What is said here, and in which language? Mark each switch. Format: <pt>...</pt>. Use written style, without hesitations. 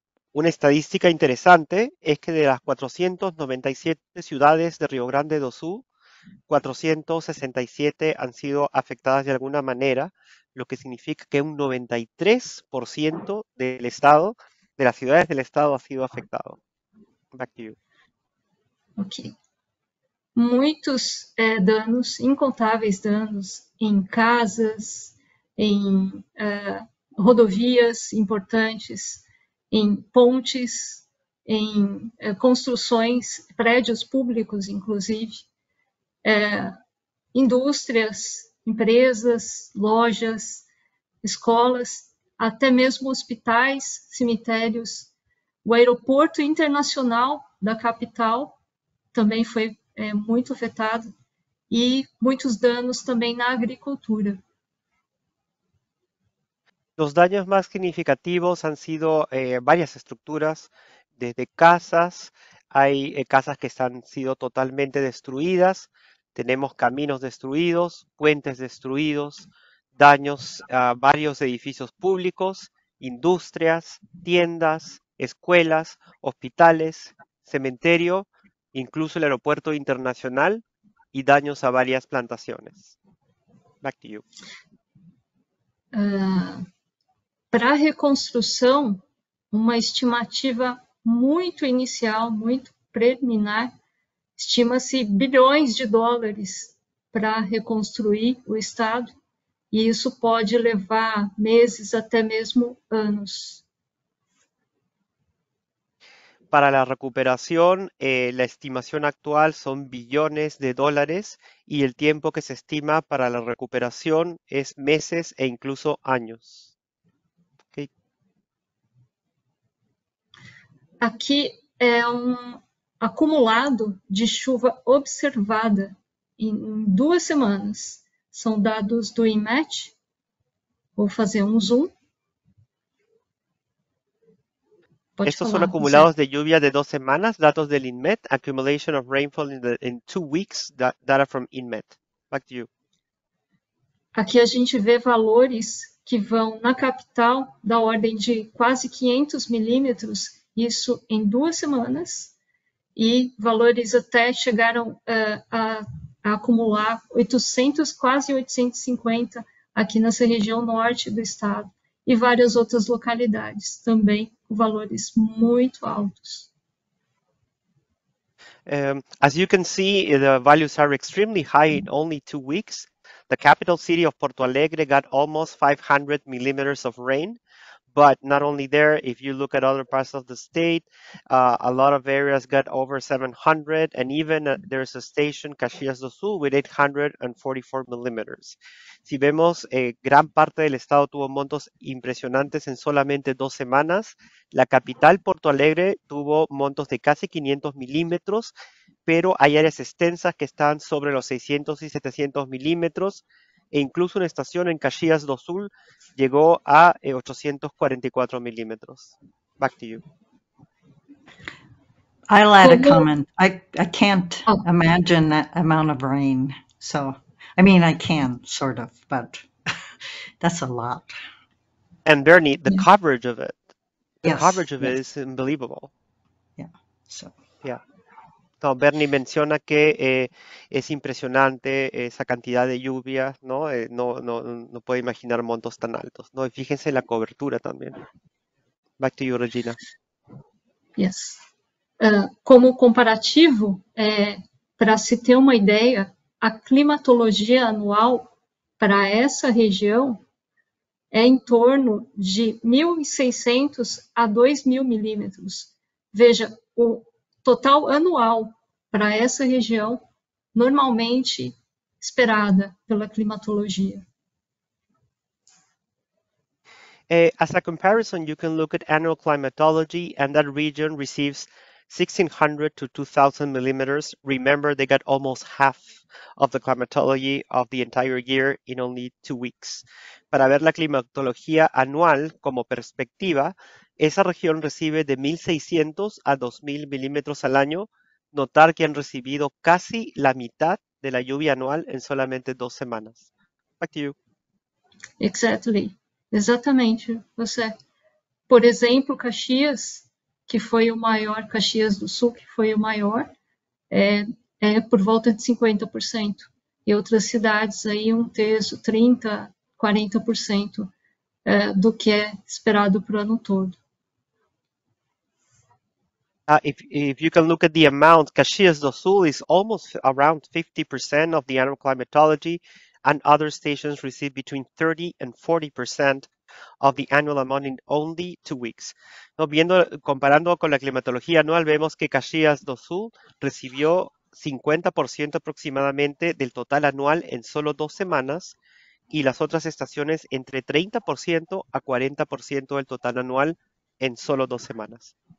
<es>Una estadística interesante es que de las 497 ciudades de Río Grande do Sul, 467 han sido afectadas de alguna manera, lo que significa que un 93% del estado, de las ciudades del estado, ha sido afectado.</es> <en>Back to you. Okay.</en> <pt>Muitos danos, incontáveis danos em casas, em rodovias importantes, em pontes, em construções, prédios públicos, inclusive, indústrias empresas, lojas, escolas, até mesmo hospitais, cemitérios. O aeroporto internacional da capital também foi muito afetado e muitos danos também na agricultura.</pt> <es>Los daños más significativos han sido varias estructuras, desde casas, hay casas que han sido totalmente destruidas, tenemos caminos destruidos, puentes destruidos, daños a varios edificios públicos, industrias, tiendas, escuelas, hospitales, cementerio, incluso el aeropuerto internacional y daños a varias plantaciones.</es> <en>Back to you.</en> <pt>Para a reconstrução, uma estimativa muito inicial, muito preliminar, estima-se bilhões de dólares para reconstruir o estado, e isso pode levar meses, até mesmo anos.</pt> <es>Para la recuperación, la estimación actual son billones de dólares y el tiempo que se estima para la recuperación es meses e incluso años.</es> <pt>Aqui é um acumulado de chuva observada em 2 semanas. São dados do IMET. Vou fazer um zoom. Pode</pt> <es>Estos son</es> <pt>falar, José.</pt> <es>acumulados de lluvia de 2 semanas, datos del INMET,</es> <en>Accumulation of Rainfall in 2 weeks, data from INMET. Back to you.</en> <pt>Aqui a gente vê valores que vão na capital da ordem de quase 500 milímetros. Isso em 2 semanas, e valores até chegaram a acumular 800, quase 850 aqui nessa região norte do estado e várias outras localidades também com valores muito altos.</pt> <en>As you can see, the values are extremely high in only 2 weeks. The capital city of Porto Alegre got almost 500 millimeters of rain, but not only there, if you look at other parts of the state, a lot of areas got over 700, and even there's a station, Caxias do Sul, with 844 millimeters.</en> <es>Si vemos, gran parte del estado tuvo montos impresionantes en solamente 2 semanas. La capital, Porto Alegre, tuvo montos de casi 500 milímetros, pero hay áreas extensas que están sobre los 600 y 700 milímetros, e incluso una estación en Caxias do Sul llegó a 844 milímetros.</es> <en>Back to you. I'll add a</en> <pt>Como</pt> <en>comment. I can't imagine that amount of rain. So, I mean, I can sort of, but that's a lot. And Bernie, the coverage of it, the Yes, coverage of it yes. is unbelievable. Yeah, so. Yeah.</en> <es>No, Bernie menciona que es impresionante esa cantidad de lluvias, ¿no? No puede imaginar montos tan altos, ¿no? Y fíjense en la cobertura también.</es> <en>Back to you, Regina. Yes.</en> <pt>Como comparativo, para se ter uma ideia, a climatologia anual para essa região é em torno de 1.600 a 2.000 milímetros. Veja, o total anual para essa região normalmente esperada pela climatologia.</pt> <en>As a comparison, you can look at annual climatology, and that region receives 1600 to 2000 millimeters. Remember, they got almost half of the climatology of the entire year in only 2 weeks.</en> <es>Para ver la climatología anual como perspectiva, esa región recibe de 1600 a 2000 milímetros al año. Notar que han recibido casi la mitad de la lluvia anual en solamente 2 semanas.</es> <en>Back to you.</en> <pt>Exactly, exatamente. Você, por exemplo, Caxias, que foi o maior, Caxias do Sul, que foi o maior, é por volta de 50%. E outras cidades aí, um terço, 30, 40% do que é esperado para o ano todo.</pt> <en>If you can look at the amount, Caxias do Sul is almost around 50% of the annual climatology, and other stations receive between 30 and 40% of the annual amount in only 2 weeks.</en> <es>Comparando con la climatología anual, vemos que Caxias do Sul recibió 50% aproximadamente del total anual en solo 2 semanas y las otras estaciones entre 30% a 40% del total anual en solo 2 semanas.</es>